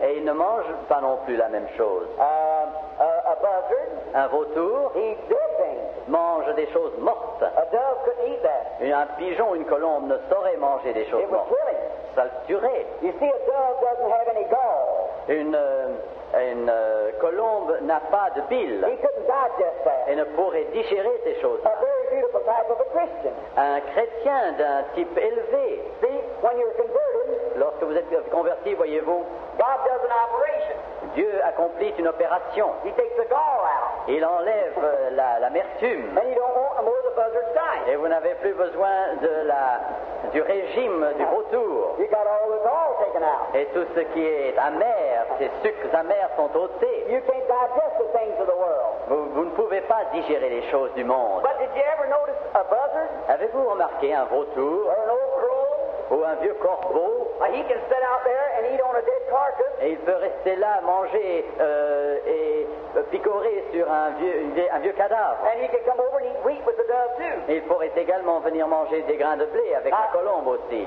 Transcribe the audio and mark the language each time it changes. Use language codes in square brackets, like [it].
[fr] Et ils ne mangent pas non plus la même chose. [en] A buzzard. [fr] Un vautour. [en] Eats dead things. [fr] Mange des choses mortes. [en] A dove could eat that. [fr] Un pigeon, une colombe ne saurait manger des choses mortes. [en] It would kill it. [fr] Ça le tuerait. [en] You see, a dove doesn't have any gall. [fr] Une colombe n'a pas de bile. [en] He couldn't digest that. [fr] Et ne pourrait digérer ces choses. [en] A very beautiful type of a Christian. [fr] Un chrétien d'un type élevé. [en] See, when you're converted. [fr] Lorsque vous êtes converti, voyez-vous, [en] God does an operation. [fr] Dieu accomplit une opération. [en] He takes the gall out. [fr] Il enlève l'amertume. [en] And you don't want more of the buzzard's diet. [fr] Et vous n'avez plus besoin de du régime du vautour. [en] You got all the gall taken out. [fr] Et tout ce qui est amer, ces sucres amers sont ôtés. [en] You can't digest the things of the world. [fr] Vous ne pouvez pas digérer les choses du monde. [en] But did you ever notice a buzzard? [fr] Avez-vous remarqué un vautour? [en] Or an old crow? [fr] Ou un vieux corbeau? [en] He can sit out there and eat on a dead carcass. [fr] Et il peut rester là, manger et picorer sur un vieux cadavre. [en] And he can come over and eat wheat with the dove too. [fr] Et il pourrait également venir manger des grains de blé avec la colombe aussi.